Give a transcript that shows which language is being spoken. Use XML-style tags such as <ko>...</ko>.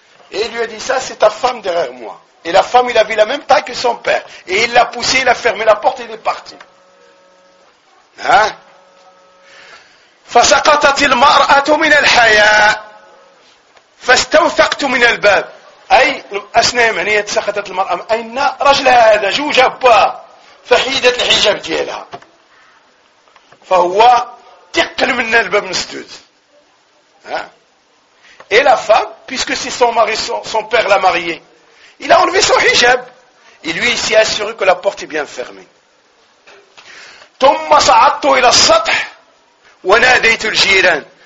<fr>Et il lui a dit ça, c'est ta femme derrière moi. Et la femme, il avait la même taille que son père. Et il l'a poussé, il a fermé la porte et il est parti. Hein?</fr> <ar>فسقطت المرأة من الحياء فاستوثقت من الباب. أي أسنام يعني سقطت المرأة أين رجلها هذا جوجة با فحيدت الحجاب ديالها فهو تقل من الباب مسدود.</ar> <fr>هاه Et la femme, puisque c'est son mari, son père l'a marié, il a enlevé son hijab. Et lui, il s'est assuré que la porte est bien fermée.</fr> <ar>Tumma sa'attu ila sath wa nadaytu al-jiran.</ar>